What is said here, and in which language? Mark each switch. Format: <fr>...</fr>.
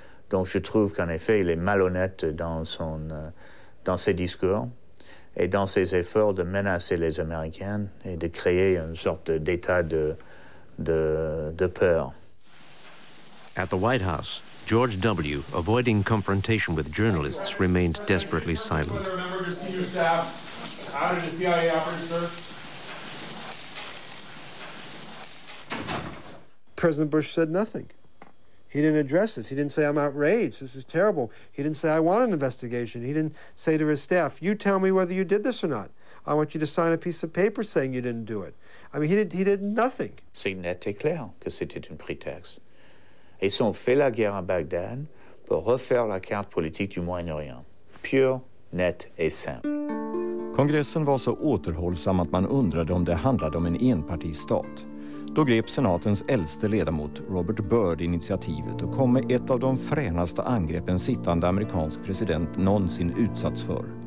<fr>Donc je trouve qu'en effet, il est malhonnête dans ses discours et dans ses efforts de menacer les Américains et de créer une sorte d'état de peur.</fr> <en>At the White House, George W., avoiding confrontation with journalists, remained desperately silent. Another member of your senior staff, out of the CIA operative, sir. President Bush said nothing. He didn't address this. He didn't say, I'm outraged. This is terrible. He didn't say, I want an investigation. He didn't say to his staff, you tell me whether you did this or not. I want you to sign a piece of paper saying you didn't do it. I mean, he did nothing.</en> <fr>C'est net et clair que c'était un prétexte. Ils ont fait la guerre à Bagdad pour refaire la carte politique du Moyen-Orient. Pure, net et simple.</fr> <sv>Kongressen var så återhållsam att man undrade om det handlade om en enpartistat. Då grep senatens äldste ledamot Robert Byrd initiativet och kom med ett av de fränaste angreppen sittande amerikansk president någonsin utsatts för.</sv>